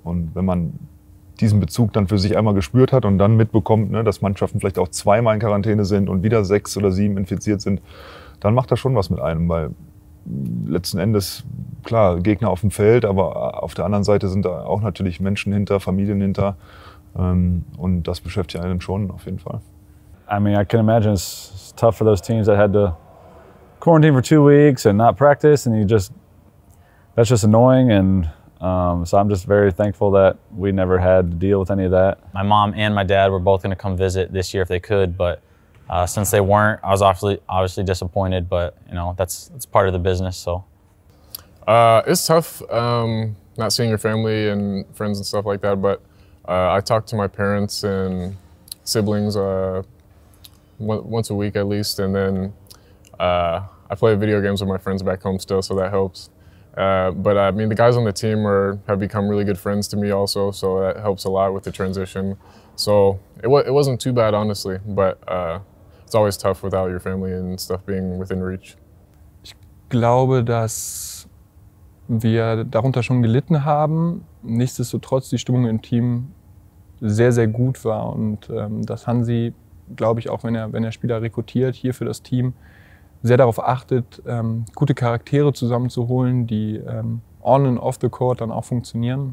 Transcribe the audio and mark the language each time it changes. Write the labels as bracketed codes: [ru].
[de] Und wenn man diesen Bezug dann für sich einmal gespürt hat und dann mitbekommt, ne, dass Mannschaften vielleicht auch zweimal in Quarantäne sind und wieder 6 oder 7 infiziert sind, dann macht das schon was mit einem, weil letzten Endes, klar, Gegner auf dem Feld, aber auf der anderen Seite sind da auch natürlich Menschen hinter, Familien hinter, und das beschäftigt einen schon auf jeden Fall. [en] I mean, I can imagine it's tough for those teams that had to quarantine for 2 weeks and not practice, and you just, that's just annoying. And so I'm just very thankful that we never had to deal with any of that. My mom and my dad were both going to come visit this year if they could, but since they weren't, I was obviously disappointed, but you know, that's part of the business, so. It's tough not seeing your family and friends and stuff like that, but I talk to my parents and siblings once a week at least, and then I play video games with my friends back home still, so that helps. But I mean, the guys on the team have become really good friends to me also, so that helps a lot with the transition. So it wasn't too bad, honestly, but it's always tough without your family and stuff being within reach. [de] Ich glaube, dass wir darunter schon gelitten haben. Nichtsdestotrotz die Stimmung im Team sehr, sehr gut war. Und dass Hansi, glaube ich, auch wenn er Spieler rekrutiert hier für das Team, sehr darauf achtet, gute Charaktere zusammenzuholen, die [en] on and off the court [de] dann auch funktionieren.